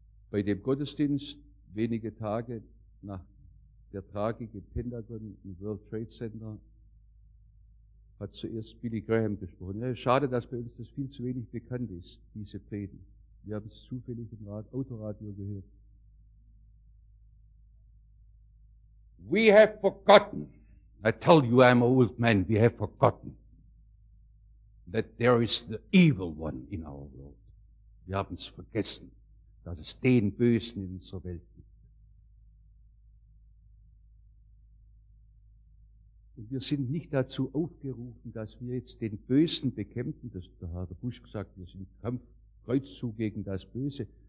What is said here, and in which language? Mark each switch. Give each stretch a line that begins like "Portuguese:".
German: Bei dem Gottesdienst, wenige Tage nach der Tragik im Pentagon im World Trade Center, hat zuerst Billy Graham gesprochen. Schade, dass bei uns das viel zu wenig bekannt ist, diese Predigt. Wir haben es zufällig im Autoradio gehört.
English: We have forgotten, I tell you, I'm an old man, we have forgotten that there is the evil one in our world.
German: Wir haben es vergessen, dass es den Bösen in unserer Welt gibt. Und wir sind nicht dazu aufgerufen, dass wir jetzt den Bösen bekämpfen, das hat der Busch gesagt, wir sind Kampf, Kreuzzug gegen das Böse.